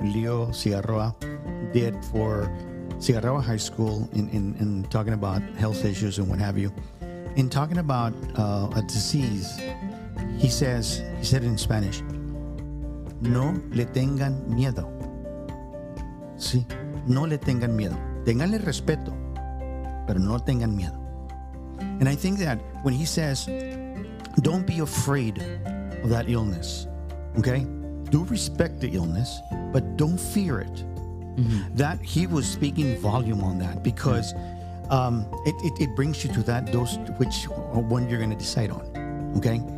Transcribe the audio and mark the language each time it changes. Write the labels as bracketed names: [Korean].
[English] Leo Sierra did for Sierra High School in talking about health issues and what have you. In talking about a disease, he said in Spanish, [Spanish] no le tengan miedo. Sí, no le tengan miedo. Ténganle respeto, pero no tengan miedo. [English] And I think that when he says, don't be afraid of that illness, okay? Do respect the illness, but don't fear it. Mm-hmm. That he was speaking volume on that, because it brings you to that dose, which one you're going to decide on, okay?